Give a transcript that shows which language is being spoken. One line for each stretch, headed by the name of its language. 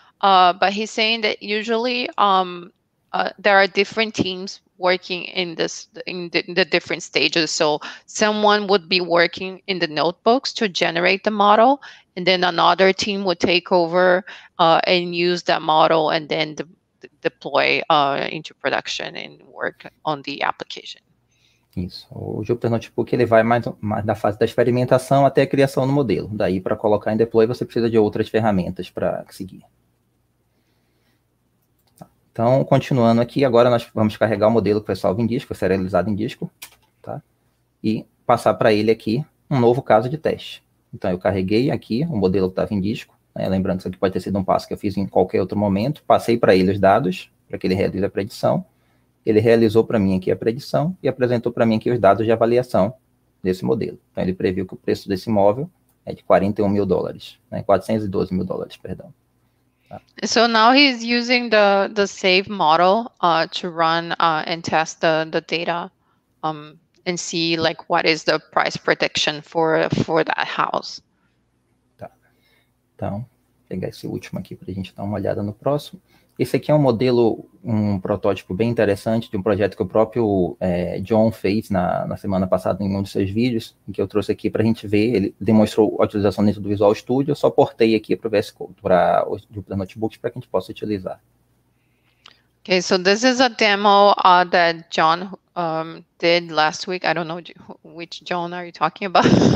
English: But he's saying that usually there are different teams working in this in the different stages. So someone would be working in the notebooks to generate the model, and then another team would take over and use that model and then deploy into production and work on the application.
Portuguese: Isso. O Jupyter Notebook, ele vai mais da fase da experimentação até a criação do modelo. Daí, para colocar em deploy, você precisa de outras ferramentas para seguir. Então, continuando aqui, agora nós vamos carregar o modelo que foi salvo em disco, serializado em disco, tá? E passar para ele aqui um novo caso de teste. Então, eu carreguei aqui o modelo que estava em disco, né? Lembrando que isso aqui pode ter sido um passo que eu fiz em qualquer outro momento, passei para ele os dados, para que ele realize a predição, ele realizou para mim aqui a predição e apresentou para mim aqui os dados de avaliação desse modelo. Então, ele previu que o preço desse imóvel é de $41,000, né? $412,000, perdão.
English: So now he's using the save model to run and test the data and see like what is the price prediction for that house.
Portuguese: Tá. Então, pegar esse último aqui para a gente dar uma olhada no próximo. Esse aqui é um modelo, um protótipo bem interessante de um projeto que o próprio John fez na semana passada em um dos seus vídeos, em que eu trouxe aqui para a gente ver. Ele demonstrou a utilização dentro do Visual Studio, eu só portei aqui para o VS Code, para o Jupyter Notebook, para que a gente possa utilizar.
English: Okay, so this is a demo that John did last week. I don't know which John are you talking about?